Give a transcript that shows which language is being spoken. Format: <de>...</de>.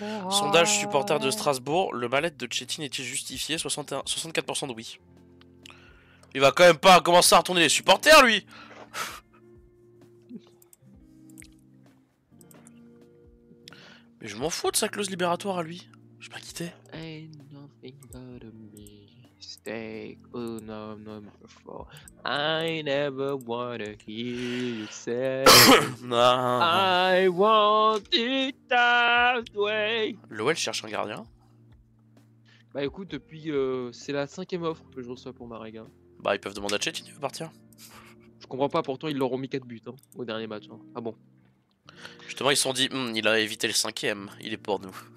<fr>Sondage supporter de Strasbourg, le mal-être de Chetin est-il justifié? 64% de oui. Il va quand même pas commencer à retourner les supporters, lui! Mais je m'en fous de sa clause libératoire à lui. Je m'ai quitté.</fr> <en>Ain't nothing but a mistake. Oh, no, no, no. I never wanna hear you say. Nah. I want it that way.</en> <fr>Lowell cherche un gardien. Bah écoute, depuis. C'est la cinquième offre que je reçois pour Marega. Bah ils peuvent demander à Chetin de partir. Je comprends pas, pourtant ils leur ont mis 4 buts hein, au dernier match. Hein. Ah bon. Justement, ils se sont dit il a évité le cinquième, il est pour nous.</fr>